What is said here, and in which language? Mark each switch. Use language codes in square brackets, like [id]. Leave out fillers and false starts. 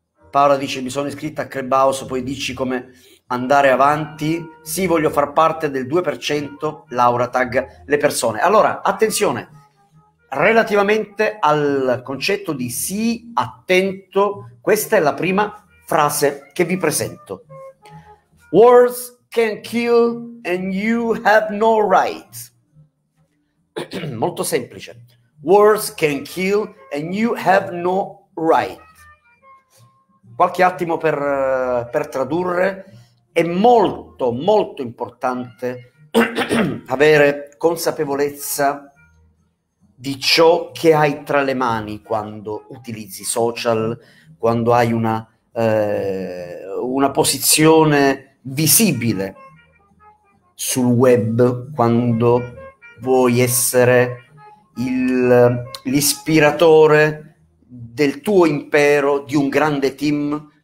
[it] Paola dice: mi sono iscritta a Clubhouse, poi dici come andare avanti. Sì, voglio far parte del 2%, Laura tag le persone. Allora, attenzione, relativamente al concetto di sii attento, questa è la prima frase che vi presento. [en] Words can kill and you have no right. [it] Molto semplice. [en] Words can kill and you have no right. [it] Qualche attimo per tradurre. È molto, molto importante avere consapevolezza di ciò che hai tra le mani quando utilizzi social, quando hai una posizione visibile sul web, quando vuoi essere l'ispiratore del tuo impero, di un grande team.